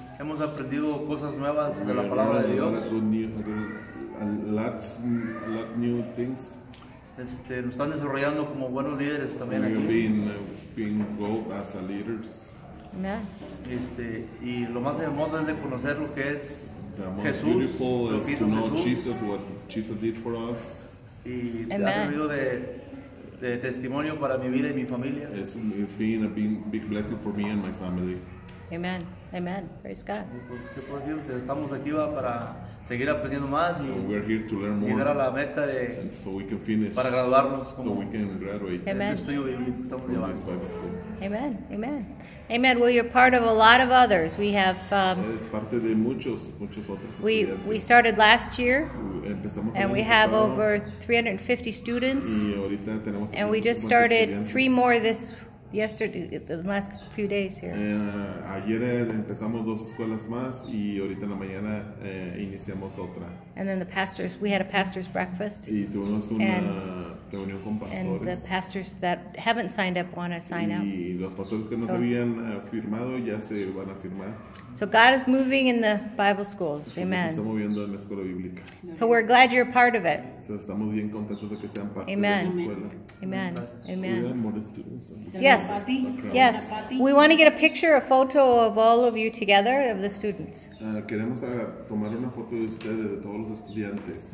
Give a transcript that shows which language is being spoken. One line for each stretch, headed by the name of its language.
Spanish: Hemos aprendido cosas nuevas de la palabra de Dios.
English: A lot new things.
Spanish: Nos están desarrollando como buenos líderes también aquí.
English: We've been both as a leaders. Yeah.
Spanish: Y lo más hermoso es de conocer lo que es
English: the most
Spanish: Jesús,
English: beautiful is to know Jesus, what Jesus did for us. Amen. It's been a big blessing for me and my family. Amen. Amen. Praise God. We're here to learn more. And so we can finish.
Spanish: Para graduarnos como,
English: so we can graduate. Amen. Amen. Amen. Amen. Well, you're part of a lot of others. We have.
Spanish: Es parte de muchos otros.
English: We started last year. And we have over 350 students.
Spanish: Y ahorita tenemos.
English: And we just started 3 more this yesterday, the last few days here.
Spanish: Ayer empezamos 2 escuelas más y ahorita en la mañana iniciamos otra.
English: And then the pastors, we had a pastor's breakfast.
Spanish: Y tuvimos una reunión con pastores.
English: And the pastors that haven't signed up want to sign up.
Spanish: Y los pastores que no habían firmado ya se van a firmar.
English: So God is moving in the Bible schools. Amen.
Spanish: Se está moviendo en la escuela bíblica.
English: So we're glad you're part of it.
Spanish: So estamos bien contentos de que sean parte Amen. De la escuela.
English: Amen. Amen. We have more students. Yeah. Yes, yes. We want to get a picture, a photo of all of you together, of the students.
Spanish: Queremos tomar una foto de ustedes, de todos los estudiantes.